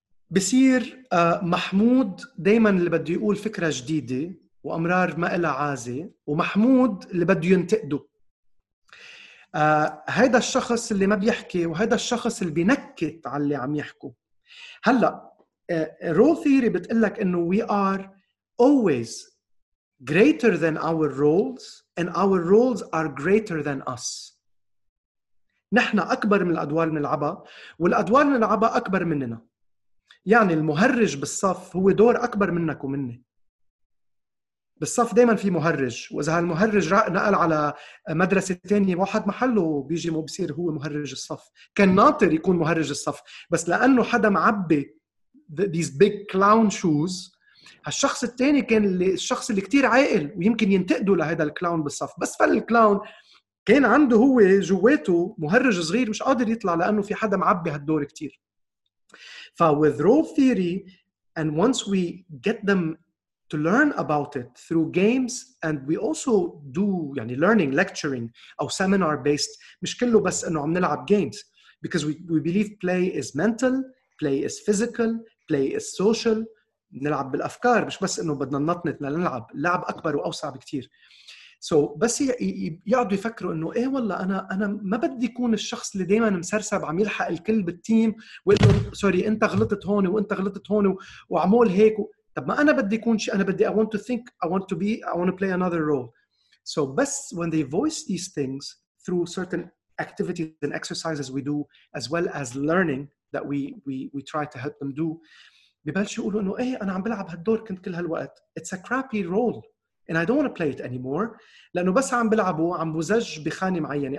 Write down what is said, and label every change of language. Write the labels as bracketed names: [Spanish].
[Arabic] بصير محمود دايما اللي بده يقول فكرة جديدة وأمرار ما إلا عازة، ومحمود اللي بده ينتقده. هيدا الشخص اللي ما بيحكي وهيدا الشخص اللي بينكت على اللي عم يحكوا. هلأ [English] role theory [Arabic] بتقلك انه [English] we are always greater than our roles and our roles are greater than us. [Arabic] نحن اكبر من الادوار من العبا والادوار من العبا اكبر مننا. يعني المهرج بالصف هو دور اكبر منك ومني. بالصف دايما في مهرج، واذا هالمهرج نقل على مدرسه تانية واحد محله بيجي مو بصير هو مهرج الصف. كان ناطر يكون مهرج الصف، بس لانه حدا معبي [English] these big clown shoes، [Arabic] هالشخص التاني كان الشخص اللي كتير عاقل ويمكن ينتقده لهذا الكلاون بالصف. بس فالكلاون كان عنده هو جواته مهرج صغير مش قادر يطلع لانه في حدا معبي هالدور كتير. [English] ف with role theory and once we get them to learn about it through games and we also do يعني learning lecturing or seminar based [Arabic] مش كله بس انه عم نلعب [English] games because we believe play is mental, play is physical, play is social. [Arabic] نلعب بالافكار مش بس انه بدنا ننطنط نلعب، اللعب اكبر واوسع بكثير. So بس يقعدوا يفكروا انه ايه والله انا ما بدي يكون الشخص اللي دائما مسرسب عم يلحق الكل بالتيم ويقول له سوري انت غلطت هون وانت غلطت هون وعمول هيك. طب ما أنا بدي [English] يكون شيء، أنا بدي I want to think, I want to be, I want to play another role. So best when they voice these things through certain activities and exercises we do as well as learning that we try to help them do. [Arabic] ببلش يقولوا إنه إيه أنا عم بلعب هالدور كنت كل هالوقت. [English] It's a crappy role and I don't want to play it anymore. [Arabic] لأنه بس عم بلعبه عم بزج بخانة معينة.